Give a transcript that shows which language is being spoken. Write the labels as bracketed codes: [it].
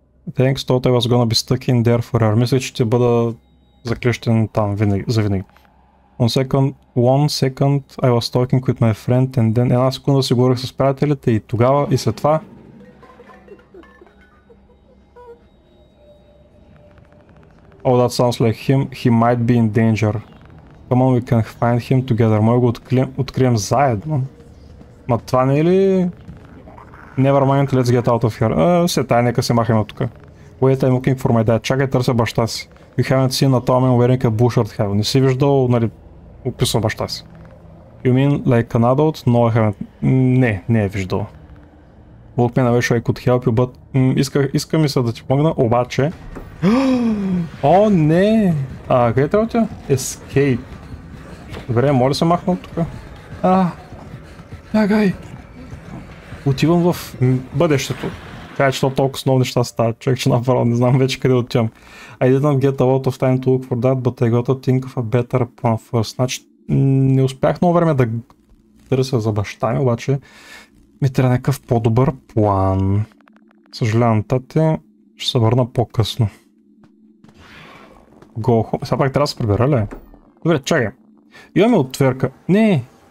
[en] Thanks, thought I was gonna be stuck in there forever. [bg] Мисля, че ти бъда заклещен там винаги, завинаги. [en] One second, I was talking with my friend and then... [bg] Една секунда си говорих с приятелите и тогава и след това... [en] Oh, that sounds like him. He might be in danger. Come on, we can find him together. [bg] Може го открием заедно. Ма това не е ли... [en] Never mind, let's get out of here. [bg] Сетай, нека се махаме от тук. [en] Wait, I'm looking for my dad. [bg] Чакай, търся баща си. [en] You haven't seen a tall man wearing a blue shirt, have you? [bg] Не си виждал, нали, описал баща си. [en] You mean like an adult? No, I haven't. [bg] Не, не е виждал. [en] Walkman, I wish I could help you, but... [bg] Иска ми се да ти помогна, обаче... О, не! А, къде трябва тя? Escape. Добре, моля се махна от тук. Бягай! Отивам в бъдещето. Това е, че толкова основни неща стават, човек, че направо не знам вече къде отивам. [en] I didn't get a lot of time to look for that, but I got to think of a better plan first. [bg] Значи, не успях много време да търся за баща ми, обаче ми трябва някакъв по-добър план. Съжалявам, тате, ще се върна по-късно. [en] Go home. [bg] Сега пак трябва да се прибера, ли? Добре, чакай. Имаме отверка. Не!